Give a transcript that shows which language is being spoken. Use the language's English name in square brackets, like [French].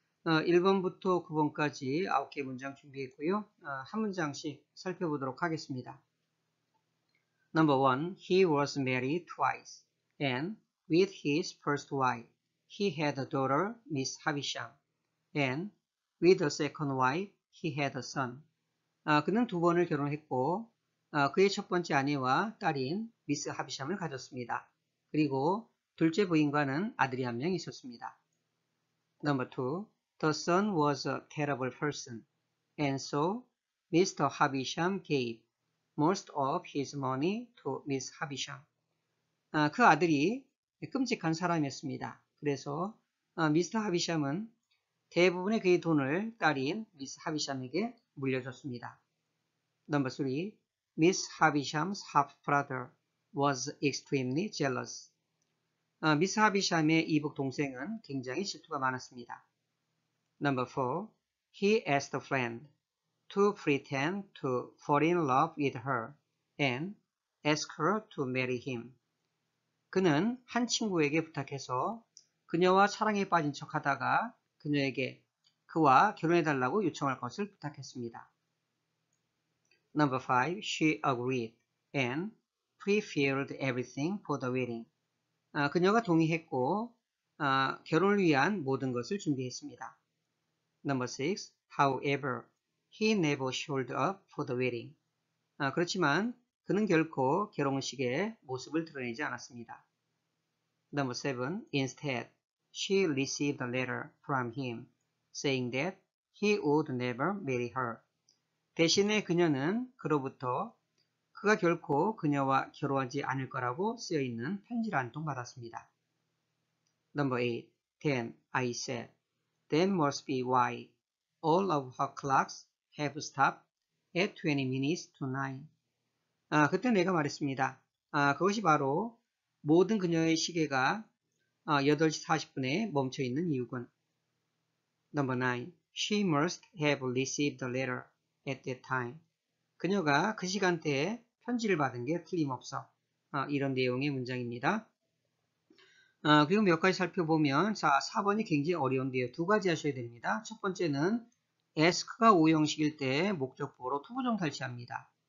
[Korean] 1번부터 9번까지 9개 문장 준비했고요. 한 문장씩 살펴보도록 하겠습니다. [English] Number 1. He was married twice. And with his first wife, he had a daughter, Miss Havisham. And with a second wife, he had a son. [Korean] 그는 두 번을 결혼했고, 그의 첫 번째 아내와 딸인 미스 하비샴을 가졌습니다. 그리고 둘째 부인과는 아들이 한 명 있었습니다. [English] Number 2. The son was a terrible person. And so Mr. Havisham gave most of his money to Miss Havisham. [Korean] 그 아들이 끔찍한 사람이었습니다. 그래서 미스터 하비샴은 대부분의 그의 돈을 딸인 미스 하비샴에게 물려줬습니다. [English] Number 3. Miss Havisham's half-brother was extremely jealous. [Korean] 미스 하비샴의 이북 동생은 굉장히 질투가 많았습니다. [English] Number 4. He asked a friend to pretend to fall in love with her and ask her to marry him. [Korean] 그는 한 친구에게 부탁해서 그녀와 사랑에 빠진 척 하다가 그녀에게 그와 결혼해 달라고 요청할 것을 부탁했습니다. [English] Number 5. She agreed and prepared everything for the wedding. [Korean] 그녀가 동의했고 결혼을 위한 모든 것을 준비했습니다. [English] Number 6. However, he never showed up for the wedding. [Korean] 그렇지만 그는 결코 결혼식에 모습을 드러내지 않았습니다. [English] Number 7. Instead, she received a letter from him saying that he would never marry her. [Korean] 대신에 그녀는 그로부터 그가 결코 그녀와 결혼하지 않을 거라고 쓰여 있는 편지를 한통 받았습니다. [English] Number 8. Then I said, that must be why all of her clocks have stopped at 20 minutes to 9. [Korean] 그때 내가 말했습니다. 그것이 바로 모든 그녀의 시계가 8시 40분에 멈춰 있는 이유군. [English] Number 9. She must have received the letter at that time. [Korean] 그녀가 그 시간대에 편지를 받은 게 틀림없어. 이런 내용의 문장입니다. 그리고 몇 가지 살펴보면, 자, 4번이 굉장히 어려운데요. 두 가지 하셔야 됩니다. 첫 번째는 ask가 오형식일 때 목적보호로 투부정 탈취합니다.